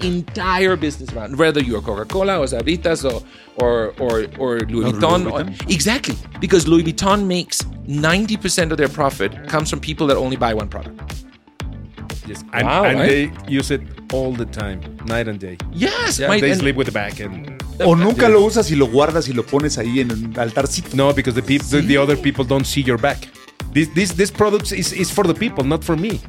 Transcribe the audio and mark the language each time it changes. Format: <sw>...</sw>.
<en>entire business around. Whether you're Coca-Cola or Sabritas or Louis Vuitton. Exactly. Because Louis Vuitton makes 90% of their profit comes from people that only buy one product. Yes. And they use it all the time, night and day. Yes. They sleep with the back end.</en> <es>O nunca lo usas y lo guardas y lo pones ahí en el altarcito.</es> <en>No, because the other people don't see your back. This product is for the people, not for me.</en>